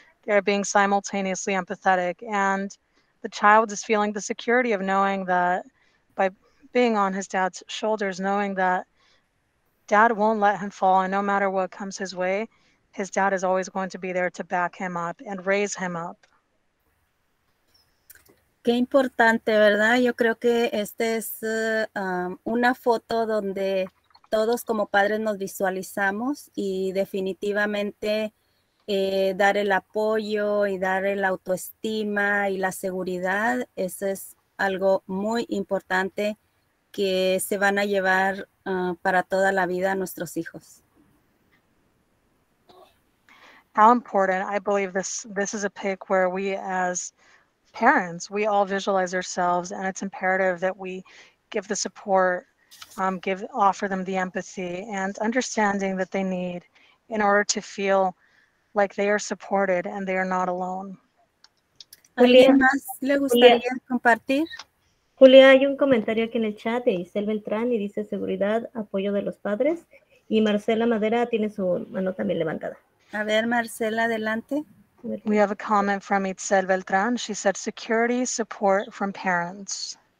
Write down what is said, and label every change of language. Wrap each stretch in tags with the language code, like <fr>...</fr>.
<en>They're being simultaneously empathetic and the child is feeling the security of knowing that by being on his dad's shoulders, knowing that dad won't let him fall and no matter what comes his way, his dad is always going to be there to back him up and raise him up.</en> <es>Qué importante, ¿verdad? Yo creo que esta es una foto donde todos como padres nos visualizamos y definitivamente dar el apoyo y dar el autoestima y la seguridad. Eso es algo muy importante que se van a llevar para toda la vida a nuestros hijos.</es> <en>How important, I believe this is a pick where we as parents, we all visualize ourselves, and it's imperative that we give the support, offer them the empathy and understanding that they need in order to feel like they are supported and they are not alone.</en> <es>¿Alguien más le gustaría compartir? Julia, hay un comentario aquí en el chat de Isel Beltrán y dice seguridad, apoyo de los padres. Y Marcela Madera tiene su mano también levantada. A ver, Marcela, adelante.</es> <en>We have a comment from Itzel Beltran. She said, security, support from parents.</en>